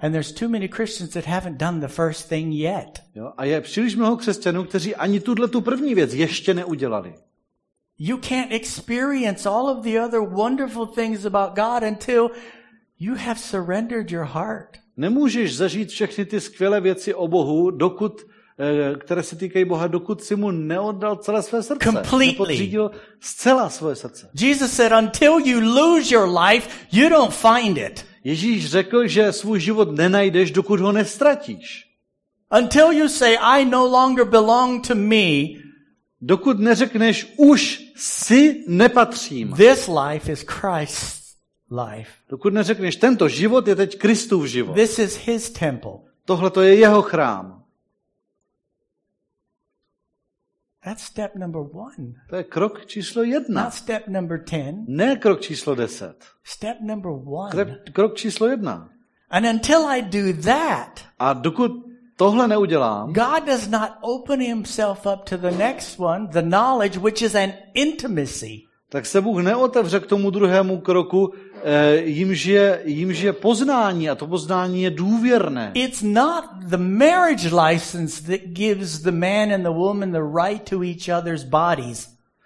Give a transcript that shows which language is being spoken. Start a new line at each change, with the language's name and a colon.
English: And there's too many Christians that haven't done the first thing yet.
Czech: Jo, a je příliš mnoho křesťanů, kteří ani tuhle tu první věc ještě neudělali.
English: You can't experience all of the other wonderful things about God until you have surrendered your heart.
Czech: Nemůžeš zažít všechny ty skvělé věci o Bohu, které se týkají Boha, dokud si mu neoddal celé své srdce.
English: Completely.
Czech: Nepodřídil zcela svoje srdce.
English: Jesus said, until you lose your life, you don't find it.
Czech: Ježíš řekl, že svůj život nenajdeš, dokud ho nestratíš.
English: Until you say, I no longer belong to me.
Czech: Dokud neřekneš, už si nepatřím.
English: This life is Christ's. Life.
Czech: Dokud neřekneš, tento život je teď Kristův život.
English: This is his temple.
Czech: Tohle to je jeho chrám.
English: That's step number one.
Czech: To je krok číslo jedna.
English: Not step number ten.
Czech: Ne krok číslo deset.
English: Step number one.
Czech: Krok číslo jedna.
English: And until I do that.
Czech: A dokud tohle neudělám.
English: God does not open himself up to the next one, the knowledge, which is an intimacy.
Czech: tak se Bůh neotevře k tomu druhému kroku, jimž je poznání, a to poznání je důvěrné.
English: It's not the marriage license that gives the man and the woman the right to each other's bodies.